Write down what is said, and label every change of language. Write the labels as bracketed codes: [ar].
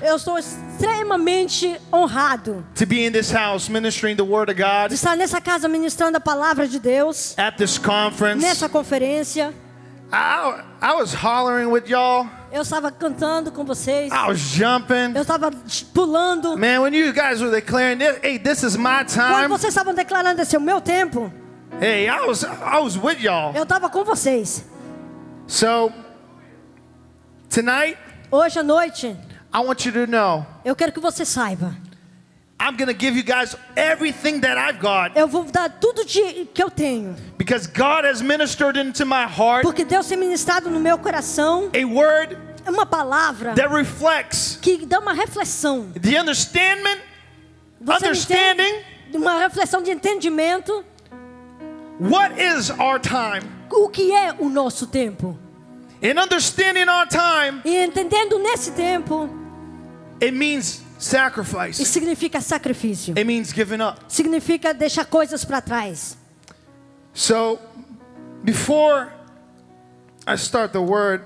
[pt] Eu estou extremamente honrado. [en] To be in this house ministering the word of God. [pt] De estar nessa casa ministrando a palavra de Deus. [en] At this conference. [pt] Nessa conferência. [en] I was hollering with y'all. [pt] Eu estava cantando com vocês. [en] I was jumping. [pt] Eu estava pulando. [en] Man, when you guys were declaring, hey, this is my time. [pt] Quando vocês estavam declarando, esse é o meu tempo. [en] Hey, I was with y'all. [pt] Eu estava com vocês. [en] So tonight, [pt] hoje à noite, [en] I want you to know, [pt] eu quero que você saiba, [en] I'm going to give you guys everything that I've got. [pt] Eu vou dar tudo que eu tenho. [en] Because God has ministered into my heart. [pt] Porque Deus tem ministrado no meu coração. [en] A word, [pt] uma palavra, [en] that reflects, [pt] que dá uma reflexão. [en] The understanding, understanding, [pt] uma reflexão de entendimento. [en] What is our time? [pt] O que é o nosso tempo? [en] In understanding our time, [pt] e entendendo nesse tempo, [en] it means sacrifice. [pt] E significa sacrifício. [en] It means giving up. [pt] Significa deixar coisas para trás. [en] So, before I start the word,